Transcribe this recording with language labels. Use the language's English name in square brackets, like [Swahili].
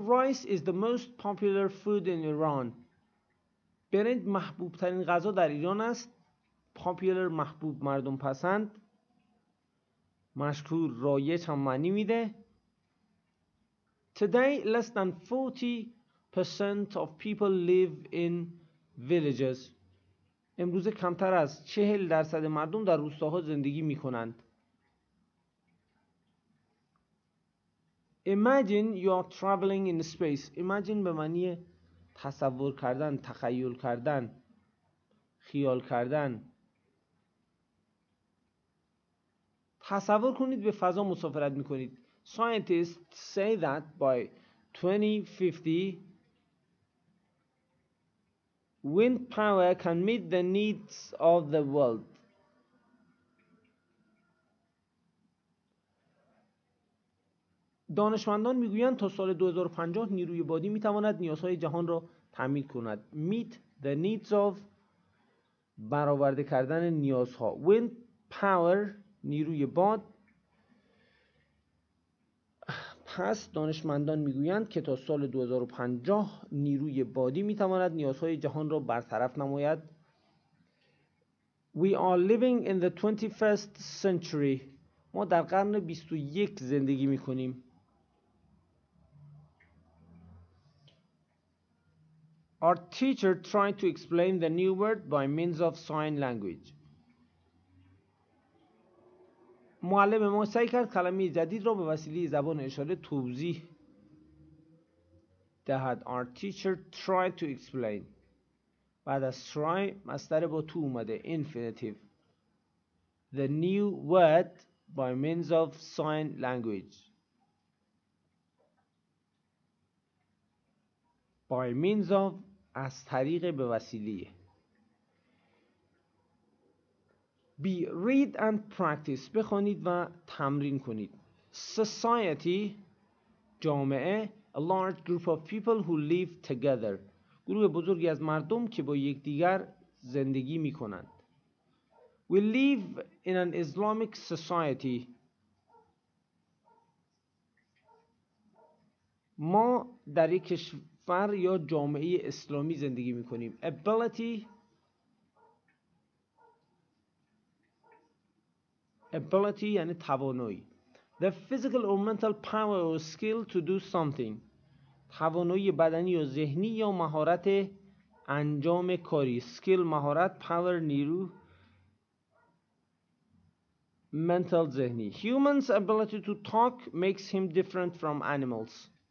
[English] Rice is the most popular food in Iran. [Persian] برنج محبوب ترین غذا در ایران است. Popular محبوب، مردم پسند. مشکور، رایج هم معنی میده. [English] Today less than 40% of people live in villages. [Persian] امروز کمتر از 40% مردم در روستاها زندگی میکنند. [English] Imagine you are traveling in space. [Persian] Imagine به معنی تصور کردن، تخیل کردن، خیال کردن. تصور کنید به فضا مسافرت میکنید. [English] Scientists say that by 2050 wind power can meet the needs of the world. [Persian] دانشمندان میگویند تا سال 2050 نیروی بادی میتواند نیازهای جهان را تامین کند. [English] Meet the needs of، [Persian] برآورده کردن نیازها. [English] Wind power، [Persian] نیروی باد. پس دانشمندان میگویند که تا سال 2050 نیروی بادی میتواند نیازهای جهان را برطرف نماید. [English] We are living in the 21st century. [Persian] ما در قرن 21 زندگی میکنیم. [English] Our teacher tried to explain the new word by means of sign language. [Persian] معلم ما سعی کرد کلمه جدید را به وسیله زبان اشاره توضیح دهد. [English] Our teacher tried to explain. [Persian] بعد از try مصدر با تو اومده. [English] Infinitive. The new word by means of sign language. By means of [Persian] از طریق به وسیله. [English] Be read and practice. [Persian] بخونید و تمرین کنید. [English] Society جامعه a large group of people who live together. [Persian] گروه بزرگی از مردم که با یکدیگر زندگی می کنند. [English] We live in an Islamic society. [Persian] ما در یک کشور یا جامعه اسلامی زندگی می کنیم. Ability یعنی توانایی. [English] The physical or mental power or skill to do something. [Persian] توانایی بدنی یا ذهنی یا مهارت انجام کاری. Skill مهارت، power نیرو، mental ذهنی. [English] Human's ability to talk makes him different from animals.